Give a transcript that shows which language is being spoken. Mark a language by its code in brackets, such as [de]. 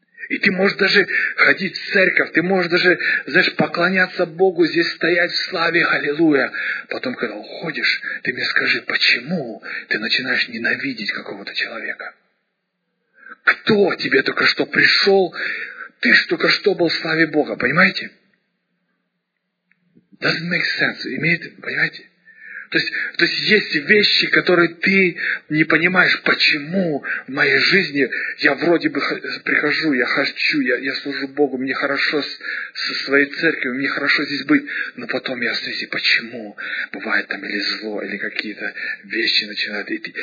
[ru] И ты можешь даже ходить в церковь, ты можешь даже, знаешь, поклоняться Богу, здесь стоять в славе, аллилуйя. Потом, когда уходишь, ты мне скажи, почему ты начинаешь ненавидеть какого-то человека? Кто тебе только что пришел? Ты же только что был в славе Бога, понимаете? [en] Doesn't make sense, [ru] имеет, понимаете? То есть есть вещи, которые ты не понимаешь, почему в моей жизни я вроде бы прихожу, я хочу, я служу Богу, мне хорошо со своей церковью, мне хорошо здесь быть, но потом я слышу, почему бывает там или зло, или какие-то вещи начинают идти.